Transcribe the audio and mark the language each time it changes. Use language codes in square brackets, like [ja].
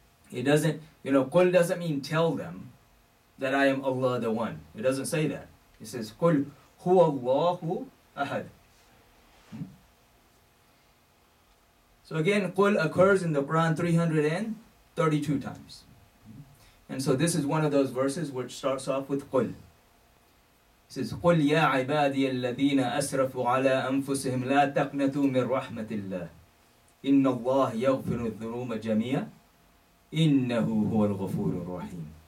[en] It doesn't, you know, قُلْ doesn't mean tell them that I am Allah the One. It doesn't say that. It says [ar] قُلْ هُوَ اللَّهُ أَهَدْ. [en] So again, قُلْ occurs in the Quran 332 times. And so this is one of those verses which starts off with قُلْ. It says, [ar] قُلْ يَا عِبَادِيَ الَّذِينَ أَسْرَفُوا عَلَىٰ أَنفُسِهِمْ لَا تَقْنَتُوا مِنْ رَحْمَةِ اللَّهِ إِنَّ اللَّهَ يَغْفِرُ الذُّنُوبَ جَمِيعًا إِنَّهُ هُوَ الْغَفُورُ الرَّحِيمُ.